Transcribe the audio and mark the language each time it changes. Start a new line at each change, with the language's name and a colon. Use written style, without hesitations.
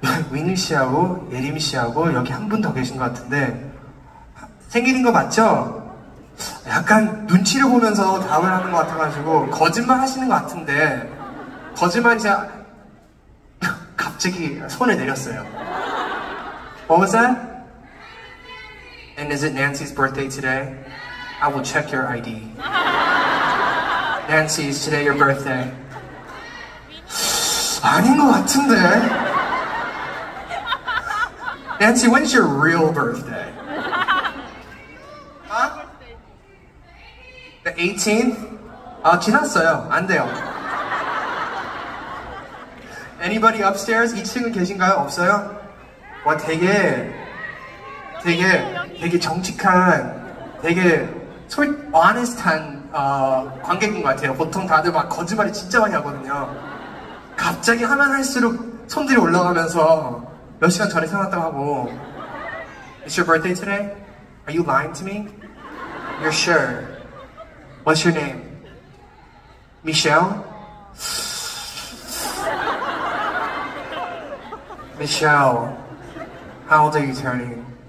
Korean: 위니 씨하고 예림 씨하고 여기 한 분 더 계신 것 같은데 생기는 거 맞죠? 약간 눈치를 보면서 답을 하는 것 같아가지고 거짓말 하시는 것 같은데 거짓말 진짜 갑자기 손을 내렸어요.
English: What was that? And is it Nancy's birthday today? I will check your ID. Nancy, is today your birthday?
Korean: 아닌 것 같은데?
English: Nancy, when's your real birthday? The 18th?
Korean: 아, 지났어요. 안 돼요.
English: Anybody upstairs?
Korean: 2층은 계신가요? 없어요? 와, 되게 정직한, 되게 솔 honest한 관객인 것 같아요. 보통 다들 막 거짓말을 진짜 많이 하거든요. 갑자기 하면 할수록 손들이 올라가면서 몇 시간 전에 태어났다고 하고.
English: It's your birthday today? Are you lying to me? You're sure? What's your name? Michelle? Michelle, how old are you turning?